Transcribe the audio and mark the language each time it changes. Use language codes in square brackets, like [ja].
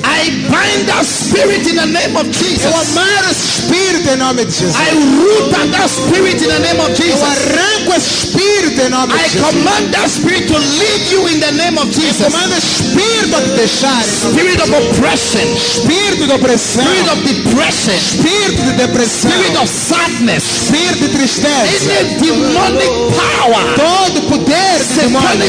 [en] I bind that spirit in the name of Jesus. [pt] Eu amarro esse espírito em nome de Jesus. [en] I root that spirit in the name of Jesus. [pt] Eu arranco esse espírito em nome de Jesus. [en] I command that spirit to leave you in the name of Jesus. [pt] Eu comando esse espírito a te deixar. [en] Spirit of oppression, [pt] espírito de opressão. [en] Spirit of depression, [pt] espírito de depressão. [en] Spirit of sadness, [pt] espírito de tristeza. [en] Any demonic power, [pt] todo poder demoníaco.